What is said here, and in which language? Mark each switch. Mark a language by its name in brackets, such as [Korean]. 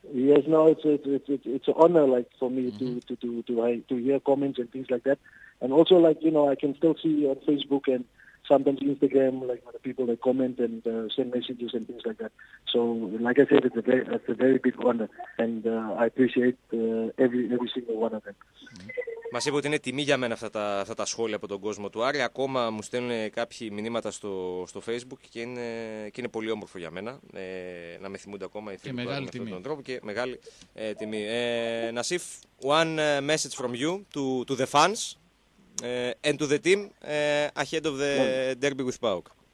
[English] Yes, no, it's an honor, like, for me mm-hmm. to hear comments and things like that, and also, like, you know, I can still see on Facebook and sometimes Instagram, like the people that comment and send messages and things like that. So, like I said, it's a very big honor, and I appreciate every single one of them. [Greek] Μας είπε ότι είναι τιμή για μένα αυτά τα σχόλια από τον κόσμο του Άρη. Ακόμα μου στέλνουν κάποιοι μηνύματα στο Facebook και είναι πολύ όμορφο για μένα να με θυμούνται ακόμα οι φίλοι μεγάλη τιμή. Με αυτόν τον τρόπο και μεγάλη τιμή. [English] Nassif, one message from you to the fans. And to the team ahead of the derby with PAOK.